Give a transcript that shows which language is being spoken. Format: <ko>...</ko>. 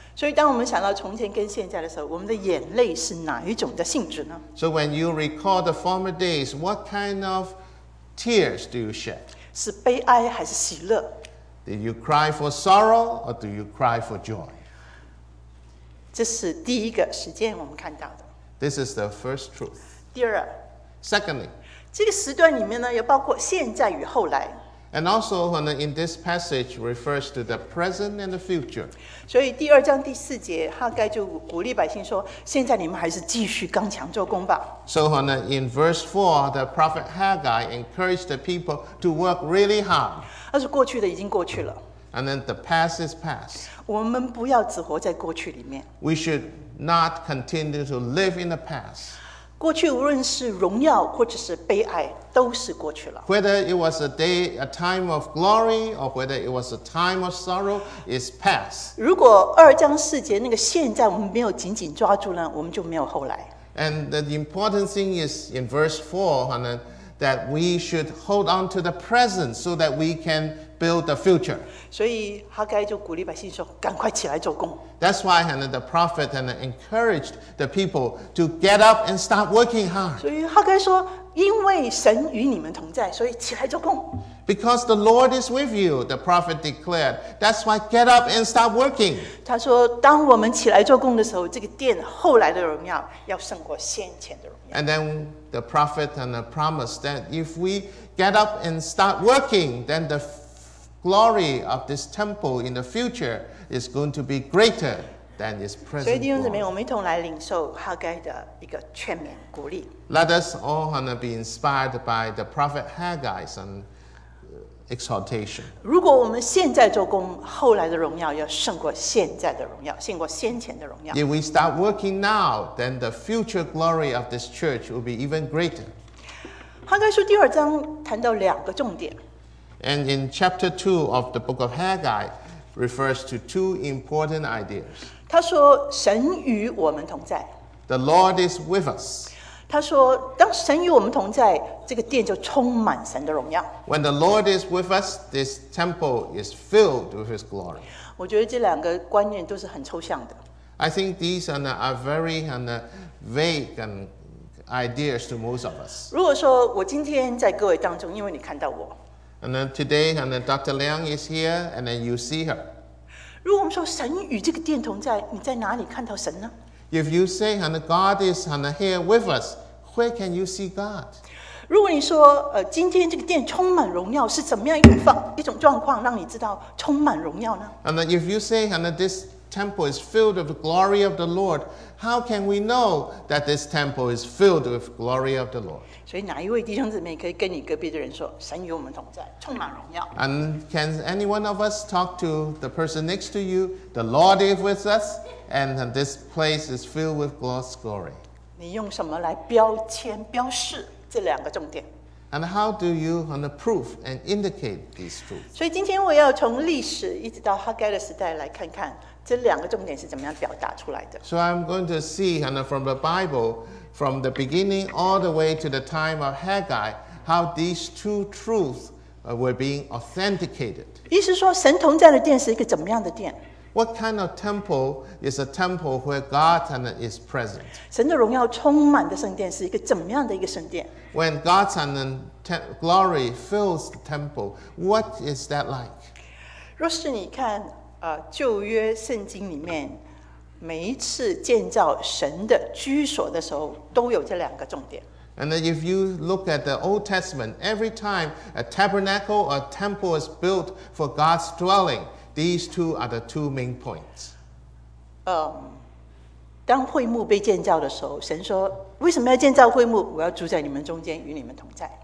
<zh>所以当我们想到从前跟现在的时候，我们的眼泪是哪一种的性质呢？</zh> <en>So when you recall the former days, what kind of tears do you shed?</en> <zh>是悲哀还是喜乐？</zh> <en>Do you cry for sorrow or do you cry for joy?</en> <zh>这是第一个实践我们看到的。</zh> <en>This is the first truth.</en> <zh>第二。</zh> <en>Secondly.</en> <zh>这个时段里面呢，也包括现在与后来。</zh> <en>And also, in this passage refers to the present and the future.</en> <zh>所以第二章第四节，哈该就鼓励百姓说，现在你们还是继续刚强做工吧。</zh> <en>So, in verse 4, the prophet Haggai encouraged the people to work really hard.</en> <zh>但是过去的已经过去了。</zh> <en>And then the past is past.</en> <zh>我们不要只活在过去里面。</zh> <en>We should not continue to live in the past.</en> <zh>过去无论是荣耀或者是悲哀，都是过去了。</zh> <en>Whether it was a time of glory or whether it was a time of sorrow is past.</en> <zh>如果二章四节那个现在我们没有紧紧抓住呢，我们就没有后来。</zh> <en>And the important thing is in verse 4, that we should hold on to the present so that we can build the future.</en> <zh>所以哈该就鼓励百姓说，赶快起来做工。</zh> <en>That's why the prophet encouraged the people to get up and start working hard.</en> <zh>所以哈该说，因为神与你们同在，所以起来做工。</zh> <en>Because the Lord is with you, the prophet declared. That's why get up and start working.</en> <zh>他说，当我们起来做工的时候，这个殿后来的荣耀要胜过先前的荣耀。</zh> <en>And then the prophet promised that if we get up and start working, then the glory of this temple in the future is going to be greater than its present.</en> <zh>所以弟兄姊妹，我们一同来领受哈该的一个劝勉鼓励。</zh> <en>Let us all be inspired by the prophet Haggai's exhortation.</en> <zh>如果我们现在做工，后来的荣耀要胜过现在的荣耀，胜过先前的荣耀。</zh> <en>If we start working now, then the future glory of this church will be even greater.</en> <zh>哈该书第二章谈到两个重点。</zh> <en>And in chapter 2 of the book of Haggai refers to two important ideas.</en> <zh>他说神与我们同在。</zh> <en>The Lord is with us.</en> <zh>他说当神与我们同在，这个殿就充满神的荣耀。</zh> <en>When the Lord is with us, this temple is filled with his glory.</en> <zh>我觉得这两个观念都是很抽象的。</zh> <en>I think these are very vague and ideas to most of us.</en> <zh>如果说我今天在各位当中，因为你看到我。</zh> <en>And then today, Dr. Liang is here, and then you see her.</en> <zh>如果我们说神与这个殿同在，你在哪里看到神呢？</zh> <en>If you say God is here with us, where can you see God?</en> <zh>如果你说今天这个殿充满荣耀，是怎么样一种状况让你知道充满荣耀呢？</zh> <en>And then if you say this temple is filled with the glory of the Lord, how can we know that this temple is filled with the glory of the Lord?</en> <zh>所以哪一位弟兄姊妹可以跟你隔壁的人说，神与我们同在，充满荣耀。</zh> <en>And can any one of us talk to the person next to you, the Lord is with us, and this place is filled with God's glory.</en> <zh>你用什么来标签标示这两个重点？</zh> <en>And how do you prove and indicate these truths?</en> <zh>所以今天我要从历史一直到哈该的时代来看看这两个重点是怎么样表达出来的。</zh> <en>So I'm going to see from the Bible,from the beginning all the way to the time of Haggai, how these two truths were being authenticated.</en> <zh>意思说神同在的殿是一个怎么样的殿？</zh> <en>What kind of temple is a temple where God is present?</en> <zh>神的荣耀充满的圣殿是一个怎么样的一个圣殿？</zh> <en>When God's glory fills the temple, what is that like?</en> <zh>若是你看旧约圣经里面每一次建造神的居所的时候，都有这两个重点。</zh> <en>And then if you look at the Old Testament, every time a tabernacle or a temple is built for God's dwelling, these two are the two main points.</en> <zh>当会幕被建造的时候，神说：“为什么要建造会幕？我要住在你们中间，与你们同在。”</zh>